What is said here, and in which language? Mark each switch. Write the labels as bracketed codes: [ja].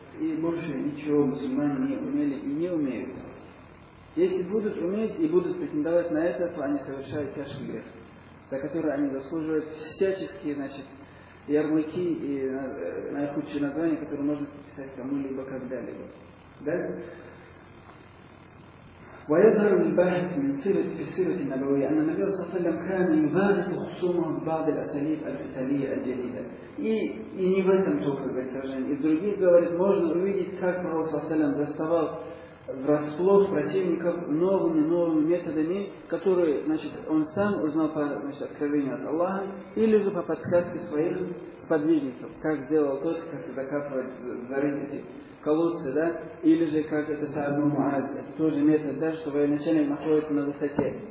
[ru] И больше ничего мусульмане не умели и не умеют. Если будут уметь и будут претендовать на это, то они совершают тяжкий грех, за который они заслуживают всяческие, значит, ярлыки и наихудшие названия, которые можно приписать кому-либо когда-либо. Да? [ar] ويظهر الباحث من سيرة في سيرة النبوية أن النبي صلى الله عليه وسلم كان يبارك خصومه ببعض الأساليب القتالية الجديدة. [ru] И не в этом только выражение. И в других говорит, можно увидеть, как Пророк [ar] صلى الله عليه وسلم [ru] заставал врасплох противников новыми методами, которые, значит, он сам узнал по, значит, откровению от Аллаха, или же по подсказке своих сподвижников, как сделал тот, как закапывать, зарыть эти колодцы, да, или же как это Саад ибн Муаз, это тоже метод, да, что военачальник находится на высоте.